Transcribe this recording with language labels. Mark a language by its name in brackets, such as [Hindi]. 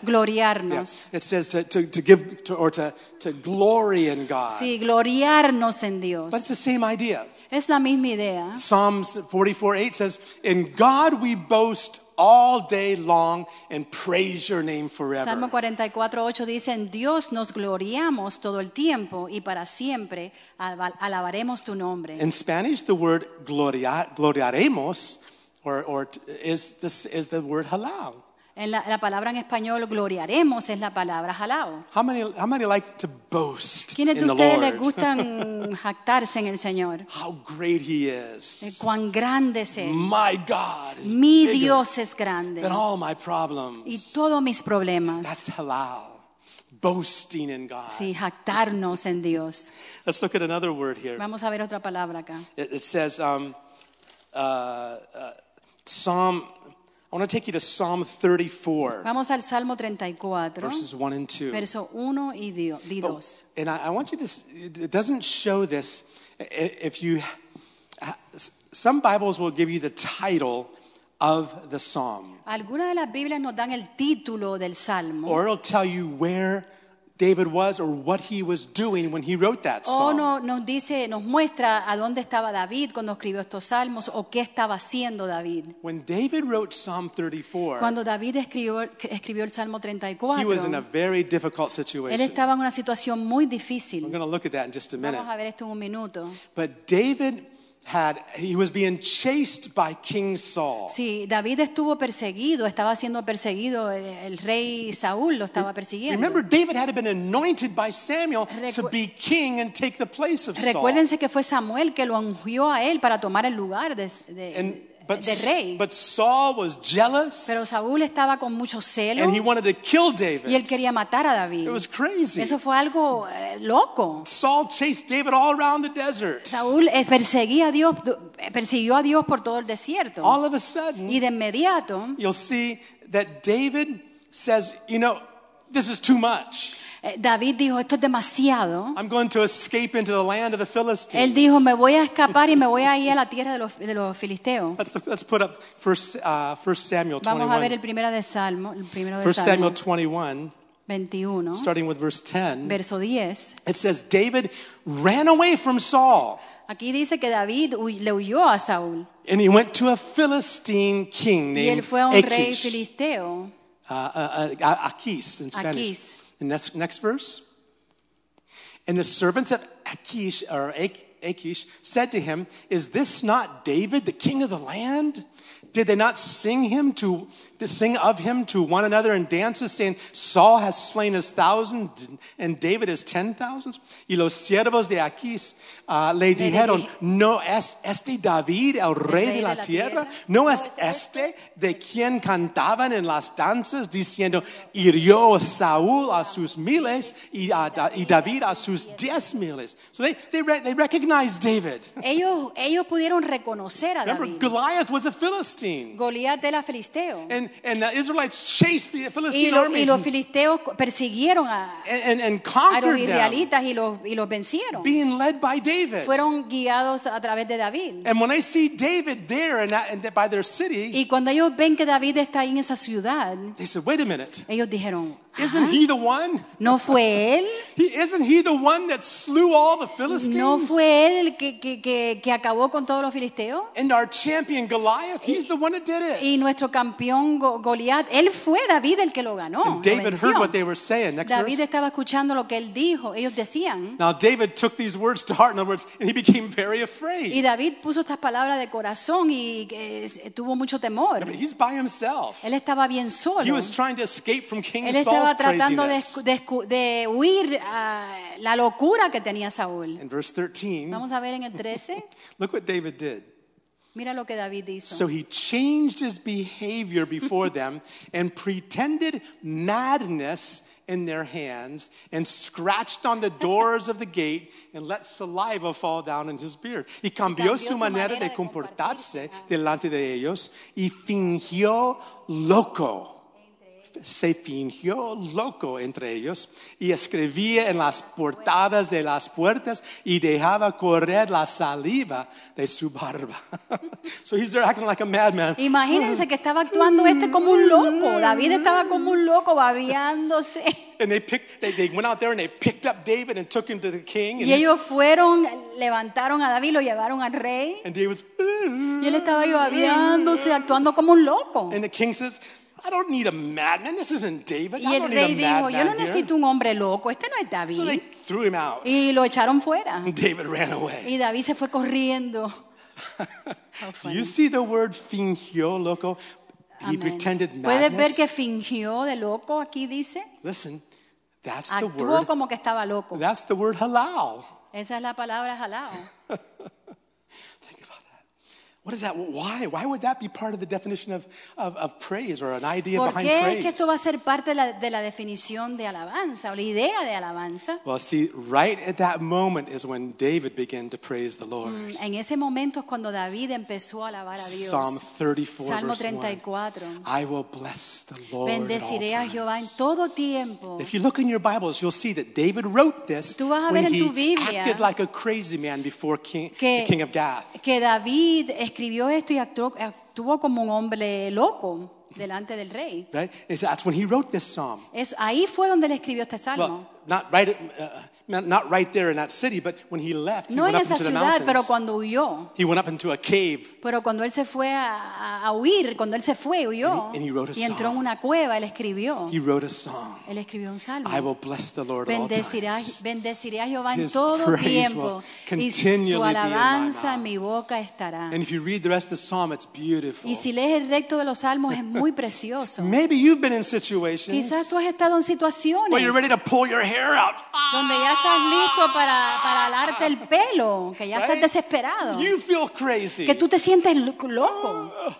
[Spanish] Gloriarnos. [English] Yeah, it says to give to, or to glory in God. [Spanish] Sí, gloriarnos en Dios. [English] But it's the same idea. [Spanish] Es la misma idea. [English] Psalms 44:8 says, "In God we boast all day long and praise your name forever." [Spanish] Salmo 44:8 dice, "En Dios nos gloriamos todo el tiempo y para siempre alabaremos tu nombre." [English] In Spanish, the word gloriaremos or is the word halal. [Spanish] En la palabra en español gloriaremos es la palabra halal. [English] How many like to boast in the Lord? [Spanish] ¿Quiénes de ustedes les gustan jactarse en el Señor? [English] How great he is. [Spanish] Cuán grande es él. [English] My God is [Spanish] mi Dios es grande. [English] Than all my problems. [Spanish] Y todos mis problemas. [English] That's halal. Boasting in God. [Spanish] Sí, jactarnos en Dios. [English] Let's look at another word here. [Spanish] Vamos a ver otra palabra acá. [English] It says Psalm, I want to take you to Psalm 34. [Spanish] Vamos al Salmo 34. [English] Verses 1 and 2. [Spanish] Verso 1 y 2. [English] And I want you to, it doesn't show this, if you, some Bibles will give you the title of the Psalm. [Spanish] Alguna de las Biblias nos dan el título del Salmo. [English] Or it'll tell you where David was or what he was doing when he wrote that psalm. [Spanish] Oh, no, nos dice, nos muestra a dónde estaba David cuando escribió estos salmos o qué estaba haciendo David. [English] When David wrote Psalm 34, [Spanish] cuando David escribió el Salmo 34, [English] he was in a very difficult situation. [Spanish] Él estaba en una situación muy difícil. [English] We're going to look at that in just a minute. [Spanish] Vamos a ver esto en un minuto. [English] But David had, he was being chased by King Saul. [Spanish] Sí, David estuvo perseguido, estaba siendo perseguido, el rey Saúl lo estaba persiguiendo. [English] Remember, David had been anointed by Samuel to be king and take the place of Saul. [Spanish] Recuérdense que fue Samuel que lo ungió a él para tomar el lugar de [English] And [Spanish] de rey. [English] But Saul was jealous. [Spanish] Pero Saúl estaba con mucho celo. [English] And he wanted to kill David. [Spanish] Y él quería matar a David. [English] It was crazy. [Spanish] Eso fue algo loco. [English] Saul chased David all around the desert. [Spanish] Saúl perseguía a Dios, persiguió a Dios por todo el desierto. [English] All of a sudden, [Spanish] y de inmediato, [English] you'll see that David says, you know, this is too much. [Spanish] David dijo, esto es demasiado. [English] I'm going to escape into the land of the Philistines. [Spanish] Él dijo, me voy a escapar y me voy a ir a la tierra de los filisteos. [English] Let's put up first Samuel 21. [Spanish] Vamos a ver el primero de Salmo, el primero de [English] First Samuel 21. Starting with verse 10. [Spanish] Verso 10. [English] It says David ran away from Saul. [Spanish] Aquí dice que David le huyó a Saúl. [English] And he went to a Philistine king named [Spanish] Achish. Y él fue a un rey filisteo. [English] Achish in Spanish. Achish. The next verse. And the servants of Achish said to him, "Is this not David, the king of the land? Did they not sing of him to one another in dances, saying, 'Saul has slain his thousand and David his 10,000s? [Spanish] Y los siervos de Achish le dijeron, "No es este David el rey de la tierra? ¿No es este de quien cantaban en las danzas, diciendo, hirió Saúl a sus miles y David a sus 10,000s? [English] So they recognized David. [Spanish] Ellos pudieron reconocer a David. [English] Remember, Goliath was a Philistine. [Spanish] Goliath era filisteo. [English] And the Israelites chased the Philistine armies. [Spanish] Y los filisteos persiguieron a [English] and conquered [Spanish] a los israelitas y los vencieron. [English] Being led by David. [Spanish] Fueron guiados a través de David. [English] And when I see David there and by their city. [Spanish] Y cuando ellos ven que David está ahí en esa ciudad. [English] They said, "Wait a minute." [Spanish] Ellos dijeron, [English] "Isn't he the one?" [Spanish] ¿No fue él? [English] Isn't he the one that slew all the Philistines? [Spanish] ¿No fue él que acabó con todos los filisteos? [English] And our champion Goliath, he's the one that did it. [Spanish] Y nuestro campeón Goliath, él fue David el que lo ganó. [English] And David heard what they were saying. Next [Spanish] David [English] verse. [Spanish] Estaba escuchando lo que él dijo. Ellos decían. [English] Now David took these words to heart, in other words, and he became very afraid. [Spanish] Y David puso estas palabras de corazón y tuvo mucho temor. [English] Remember, he's by himself. [Spanish] Él estaba bien solo. [English] He was trying to escape from King [Spanish] él [English] Saul. [Spanish] Estaba tratando de huir la locura que tenía Saúl. [English] In verse 13, [Spanish] vamos a ver en el 13. [English] Look what David did. [Spanish] Mira lo que David hizo. [English] So he changed his behavior before them and pretended madness in their hands and scratched on the doors of the gate and let saliva fall down in his beard. [Spanish] Y cambió su manera de comportarse delante de ellos y fingió loco. Se fingió loco entre ellos y escribía en las portadas de las puertas y dejaba correr la saliva de su barba. [English] So he's there acting like a madman. [Spanish] Imagínense que estaba actuando este como un loco. David estaba como un loco babeándose. [English] And they went out there and they picked up David and took him to the king. [Spanish] Y ellos fueron, levantaron a David, lo llevaron al rey. [English] And David was, [Spanish] y él estaba babeándose, actuando como un loco. [English] And the king says, "I don't need a madman. This isn't David. [Spanish] Y el [English] I don't [Spanish] rey [English] need a [Spanish] dijo, [English] madman [Spanish] yo no necesito Un hombre loco. Este no es David." [English] So they threw him out. [Spanish] Y lo echaron fuera. [English] And David ran away. [Spanish] Y David se fue corriendo. [English] Do you see the word [Spanish] fingió loco? [English] Amen. He pretended madness. [Spanish] ¿Puedes ver que fingió de loco aquí dice? [English] Listen, that's [Spanish] actuó [English] the word. [Spanish] Actuó como que estaba loco. [English] That's the word halal. [Spanish] Esa es la palabra halal. [English] What is that? Why? Why would that be part of the definition of praise or an idea behind praise? [Spanish] ¿Por qué es que esto va a ser parte de la definición de alabanza o la idea de alabanza? [English] Well, see, right at that moment is when David began to praise the Lord. [Spanish] En ese momento es cuando David empezó a alabar a Dios. [English] Psalm 34, [Spanish] Salmo 34. [English] Verse 1. I will bless the Lord. [Spanish] Bendeciré a Jehová en todo tiempo. [English] If you look in your Bibles, you'll see that David wrote this when he acted like a crazy man before the king of Gath. [Spanish] Que David escribió esto y actuó como un hombre loco delante del rey. [English] Right? That's when he wrote this psalm. [Spanish] Ahí fue donde le escribió este salmo. [English] Well, not right there in that city, but when he left, [Spanish] no [English] he went [Spanish] en esa [English] up into [Spanish] ciudad, [English] the mountains. [Spanish] Pero cuando huyó. [English] He went up into a cave. [Spanish] Pero cuando él se fue a huir, cuando él se fue, huyó. [English] And he wrote a [Spanish] y entró [English] psalm. [Spanish] En una cueva, él escribió. [English] He wrote a psalm. [Spanish] Él escribió un salmo. [English] I will bless the Lord [Spanish] bendeciré, [English] all times. [Spanish] Bendeciré a Jehová en todo tiempo. Y su alabanza en mi boca estará. [English] And if you read the rest of the psalm, it's beautiful. [Spanish] Y si lees el resto de los salmos, es muy precioso. [English] Maybe you've been in situations. [Spanish] Quizás tú has estado en situaciones. [English] Where you're ready to pull your hair hair out. [Spanish] Donde ya estás listo para alarte el pelo, que ya estás desesperado. [English] You feel crazy. [Spanish] Que tú te sientes loco.